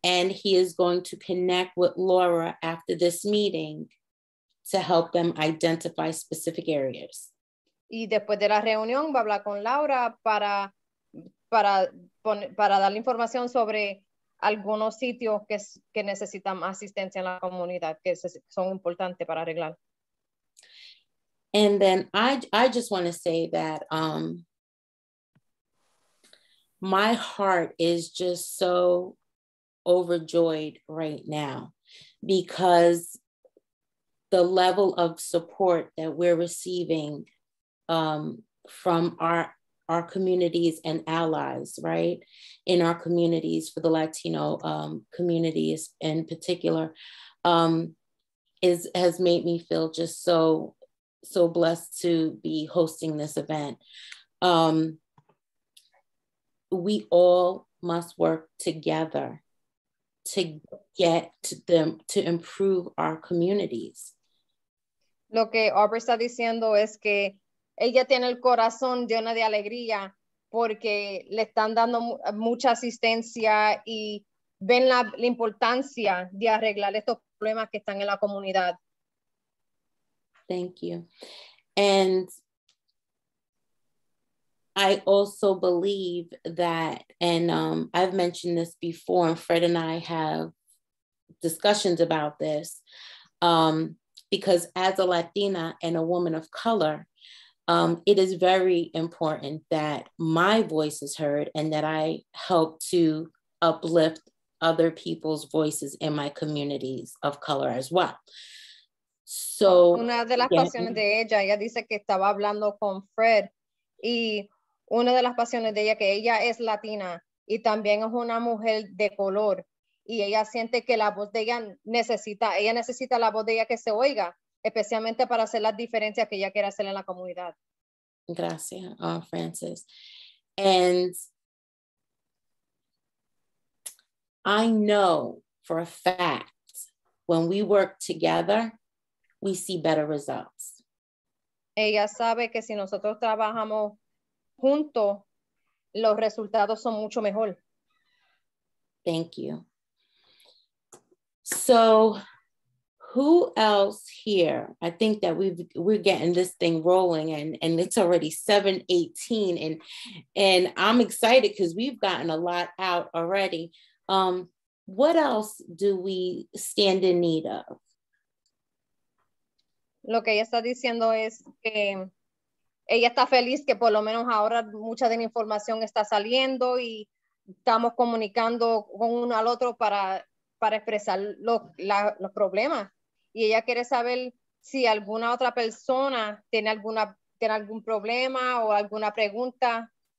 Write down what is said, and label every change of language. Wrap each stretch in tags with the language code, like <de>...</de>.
<en>And he is going to connect with Laura after this meeting to help them identify specific areas.</en> <es>Y después de la reunión va a hablar con Laura para dar información sobre algunos sitios que necesitan más asistencia en la comunidad, que son importantes para arreglar.</es> <en>And then I just want to say that my heart is just so overjoyed right now because the level of support that we're receiving from our communities and allies, right, in our communities, for the Latino communities in particular, has made me feel just so blessed to be hosting this event. We all must work together to get them to improve our communities.</en> <es>Lo que Aubrey está diciendo es que ella tiene el corazón lleno de alegría porque le están dando mucha asistencia y ven la importancia de arreglar estos problemas que están en la comunidad.</es> <en>Thank you. And I also believe that, and I've mentioned this before, and Fred and I have discussions about this, because as a Latina and a woman of color, it is very important that my voice is heard and that I help to uplift other people's voices in my communities of color as well. So,</en> <es>una de las pasiones de ella dice que estaba hablando con Fred, y una de las pasiones de ella que ella es latina y también es una mujer de color, y ella siente que la voz de ella necesita la voz de ella que se oiga, especialmente para hacer las diferencias que ella quiere hacer en la comunidad. Gracias, Francis.</es> <en>And I know for a fact, when we work together, we see better results.</en> <es>Ella sabe que si nosotros trabajamos juntos, los resultados son mucho mejor.</es> <en>Thank you. So, who else here? I think that we're getting this thing rolling, and it's already 7:18, and I'm excited because we've gotten a lot out already. What else do we stand in need of?</en> <es>Lo que ella está diciendo es que ella está feliz que por lo menos ahora mucha de la información está saliendo y estamos comunicando con uno al otro para expresar los problemas. Y ella quiere saber si alguna otra persona tiene algún problema o alguna pregunta.</es>